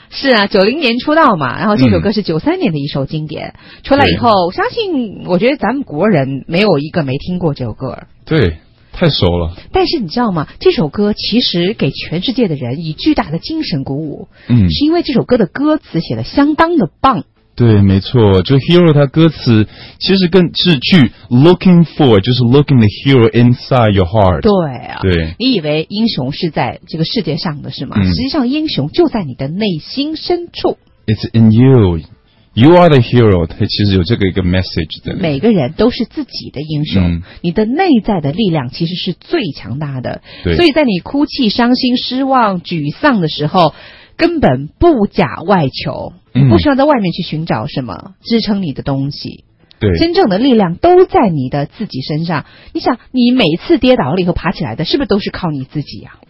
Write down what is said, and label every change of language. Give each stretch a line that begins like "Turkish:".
Chinese: 是啊，90年出道嘛，然后这首歌是93年的一首经典，出来以后，相信我觉得咱们国人没有一个没听过这首歌。对，太熟了。但是你知道吗，这首歌其实给全世界的人以巨大的精神鼓舞，是因为这首歌的歌词写得相当的棒。对，没错，就 Hero 他歌词其实更是去 looking for， 就是
English: looking the hero inside your heart。
Chinese: 对啊，对，你以为英雄是在这个世界上的是吗？实际上英雄就在你的内心深处。
English: It's in you， You are the hero，
Chinese: 他其实有这个一个 message 在里面。每个人都是自己的英雄，你的内在的力量其实是最强大的。对，所以在你哭泣、伤心、失望、沮丧的时候，根本不假外求，不需要在外面去寻找什么支撑你的东西。对，真正的力量都在你的自己身上。你想，你每次跌倒了以后爬起来的，是不是都是靠你自己啊？